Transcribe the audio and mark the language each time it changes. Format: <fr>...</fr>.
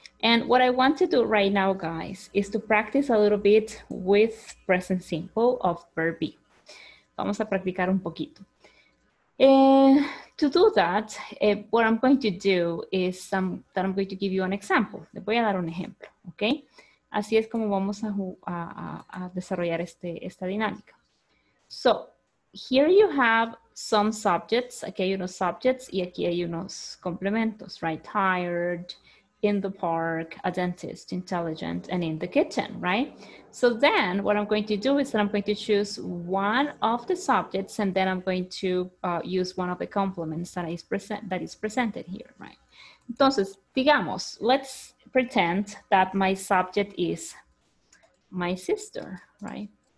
<en>And what I want to do right now, guys, is to practice a little bit with present simple of verb be.</en> <es>Vamos a practicar un poquito.</es> <en>To do that, what I'm going to do is that I'm going to give you an example.</en> <es>Le voy a dar un ejemplo, okay? Así es como vamos a desarrollar esta dinámica.</es> <en>So, here you have some subjects.</en> <es>Aquí hay unos subjects y aquí hay unos complementos, right?</es> <en>Tired, in the park, a dentist, intelligent, and in the kitchen, right? So then what I'm going to do is that I'm going to choose one of the subjects and then I'm going to use one of the complements that is presented here, right?</en> <es>Entonces, digamos,</es> <en>let's pretend that my subject is my sister, right?</en>